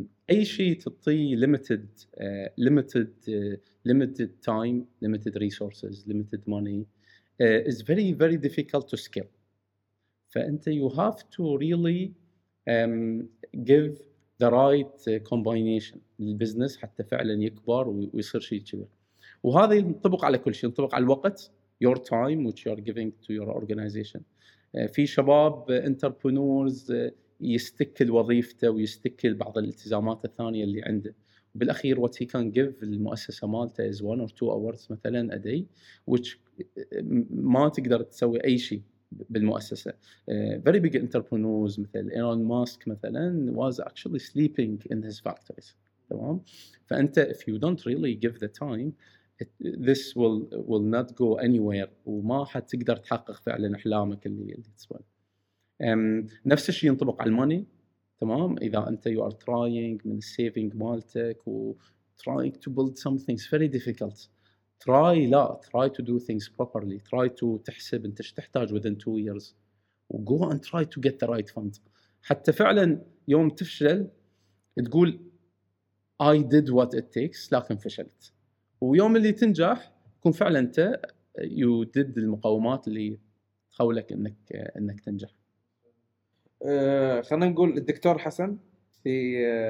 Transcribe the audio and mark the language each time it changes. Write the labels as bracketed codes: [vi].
[ar] أي شيء تعطي [en] limited time limited resources limited money is very very difficult to scale. [ar] فأنت [en] you have to really give the right combination [ar] للبزنس حتى فعلا يكبر ويصير شيء كبير. [en] وهذا ينطبق على كل شيء، ينطبق على الوقت your time which you are giving to your organization. [ar] في شباب entrepreneurs يستكل وظيفته ويستكل بعض الالتزامات الثانية اللي عنده، وبالأخير [en] what he can give [ar] المؤسسة مالته [en] is one or two hours [ar] مثلاً [en] a day which [ar] ما تقدر تسوي أي شيء بالمؤسسة. [en] Very big entrepreneurs [ar] مثل إيلون ماسك مثلاً [en] was actually sleeping in his factories. [ar] تمام. فأنت [en] if you don't really give the time this will not go anywhere [ar] وما حتقدر تحقق فعلاً أحلامك اللي تسويه. نفس الشيء ينطبق على الماني. تمام. إذا أنت [en] you are trying [ar] من [en] saving [ar] مالتك [en] و trying to build something it's very difficult. try [ar] لا [en] try to do things properly, try to [ar] تحسب انت ايش تحتاج [en] within 2 years و go and try to get the right fund. [ar] حتى فعلا يوم تفشل تقول [en] I did what it takes [ar] لكن فشلت, ويوم اللي تنجح يكون فعلا انت [en] you did [ar] المقاومات اللي تخولك انك تنجح. خلنا نقول الدكتور حسن في